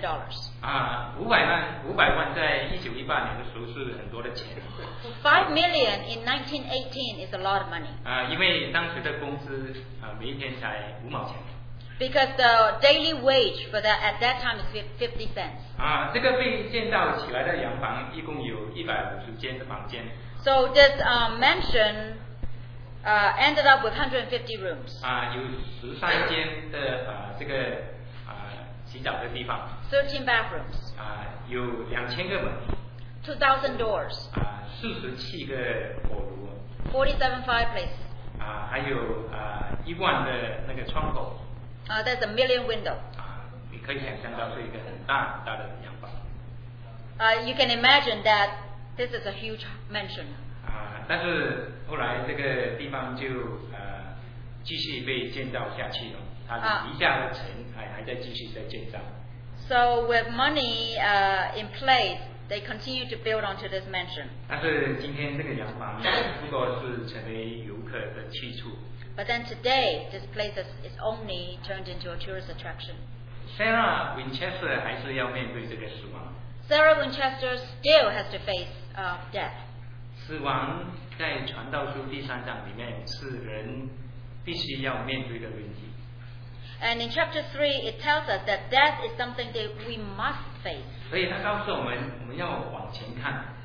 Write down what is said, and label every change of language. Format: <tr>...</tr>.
<zh>500万在1918年的时候是很多的钱。</zh> <en>5 million in 1918 is a lot of money.</en> <zh>因为当时的工资每一天才5毛钱。</zh> <en>Because the daily wage for that at that time is 50 cents.</en> <zh>这个被建造起来的洋房一共有150间的房间。</zh> <en>So this mansion. Ended up with 150 rooms.</en> <zh>有13间的洗澡的地方。</zh> <en>13 bathrooms.</en> <zh>有2000个门。</zh> <en>2,000 doors.</en> <zh>47个火炉。</zh> <en>47 fireplaces.</en> <zh>还有1万的那个窗口。</zh> <en>That's a million window.</en> <zh>你可以想象到是一个很大很大的洋房。</zh> <en>You can imagine that this is a huge mansion.</en> <zh>但是后来这个地方就继续被建造下去了，他底下的城还在继续在建造。</zh> <en>So with money in place, they continue to build onto this mansion.</en> <zh>但是今天这个洋房不过是成为游客的去处。</zh> <en>But then today, this place is only turned into a tourist attraction.</en> <zh>Sarah Winchester 还是要面对这个死亡。</zh> <en>Sarah Winchester still has to face death.</en> <zh>死亡在传道书第三章里面是人必须要面对的问题。</zh> <en>And in chapter 3, it tells us that death is something that we must face.</en> <zh>所以他告诉我们，我们要往前看。</zh>